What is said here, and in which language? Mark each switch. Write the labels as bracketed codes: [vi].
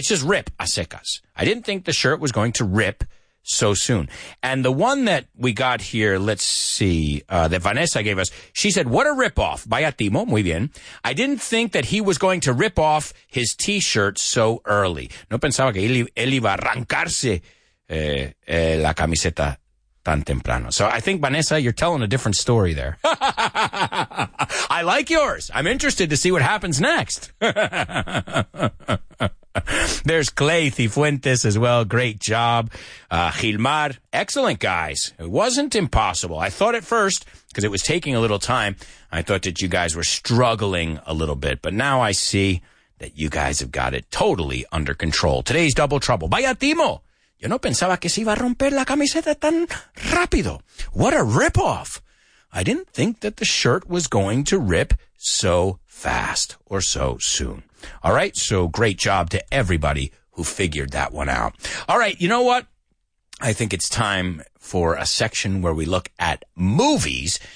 [en] It's just rip a secas. I didn't think the shirt was going to rip so soon. And the one that we got here, let's see, that Vanessa gave us, she said, what a rip off. [es] Vaya timo. Muy bien. [en] I didn't think that he was going to rip off his t-shirt so early. [es] No pensaba que él iba a arrancarse la camiseta tan temprano. [en] So I think, Vanessa, you're telling a different story there. I like yours. I'm interested to see what happens next. There's Clay Cifuentes as well. Great job. Gilmar, excellent, guys. It wasn't impossible. I thought at first, because it was taking a little time, I thought that you guys were struggling a little bit. But now I see that you guys have got it totally under control. Today's Double Trouble. [es] Vaya timo. Yo no pensaba que se iba a romper la camiseta tan rápido. [en] What a ripoff. I didn't think that the shirt was going to rip so fast or so soon. All right, so great job to everybody who figured that one out. All right, you know what? I think it's time for a section where we look at movies.